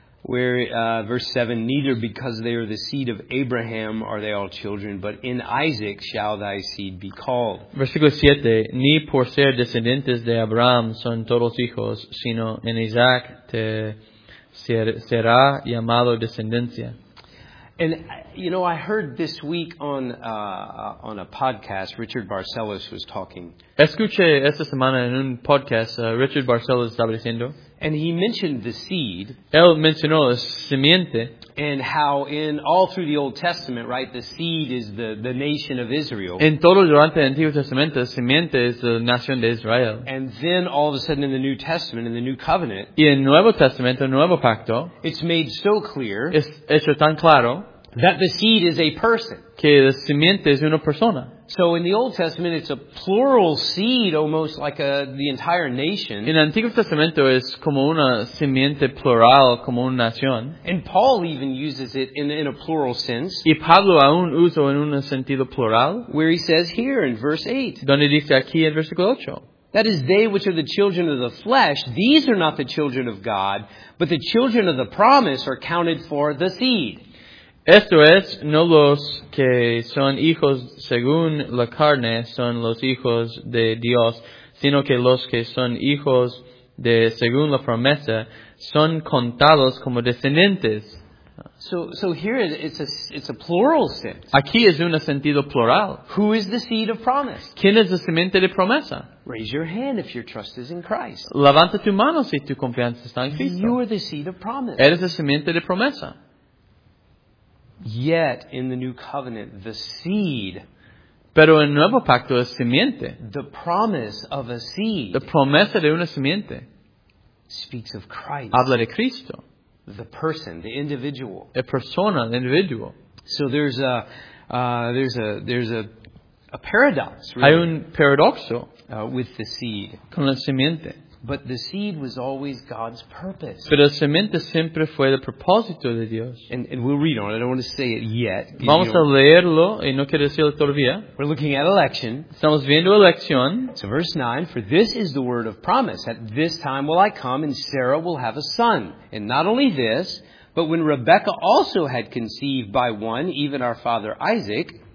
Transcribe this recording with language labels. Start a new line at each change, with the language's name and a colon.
English: Where verse 7, neither because they are the seed of Abraham are they all children, but in Isaac shall thy seed be called.
Spanish: Versículo 7, ni por ser descendientes de Abraham son todos hijos, sino en Isaac te será llamado descendencia.
English: And, you know, I heard this week on a podcast, Richard Barcelos was talking.
Spanish: Escuché esta semana en un podcast, Richard Barcelos estaba diciendo.
English: And he mentioned the seed.
Spanish: Él mencionó la simiente.
English: And how in all through the Old Testament, right, the seed is the nation of Israel.
Spanish: En todo durante el Antiguo Testamento, la simiente es la nación de Israel.
English: And then all of a sudden in the New Testament, in the New Covenant.
Spanish: Y en Nuevo Testamento, Nuevo Pacto.
English: It's made so clear.
Spanish: Es hecho tan claro.
English: That the seed is a person.
Spanish: Que la simiente es una persona.
English: So in the Old Testament, it's a plural seed, almost like the entire nation.
Spanish: En el Antiguo Testamento es como una simiente plural, como una nación.
English: And Paul even uses it in a plural sense.
Spanish: Y Pablo aún usa en un sentido plural.
English: Where he says here in verse 8.
Spanish: Donde dice aquí en versículo 8.
English: That is, they which are the children of the flesh, these are not the children of God, but the children of the promise are counted for the seed.
Spanish: Esto es, no los que son hijos según la carne son los hijos de Dios, sino que los que son hijos de según la promesa son contados como descendientes.
English: So here it's a plural sense.
Spanish: Aquí es un sentido plural.
English: Who is the seed of promise?
Spanish: ¿Quién es la simiente de promesa?
English: Raise your hand if your trust is in Christ.
Spanish: Levanta tu mano si tu confianza está en Cristo.
English: You are the seed of promise.
Spanish: Eres la simiente de promesa.
English: Yet in the new covenant, the seed.
Spanish: Pero en nuevo pacto es simiente.
English: The promise of a seed.
Spanish: La promesa de una simiente.
English: Speaks of Christ.
Spanish: Habla de Cristo.
English: The person, the individual.
Spanish: La persona, el individuo.
English: So there's a paradox. Really,
Spanish: hay un paradoxo
English: with the seed.
Spanish: Con la simiente.
English: But the seed was always God's purpose.
Spanish: Pero la semente siempre fue el propósito de Dios.
English: And we'll read on. I don't want to say it yet.
Spanish: Vamos a leerlo y no quiero decirlo todavía.
English: We're looking at election.
Spanish: Estamos viendo elección.
English: So verse 9, for this is the word of promise. At this time will I come and Sarah will have a son. And not only this, but when Rebekah also had conceived by one, even our father Isaac.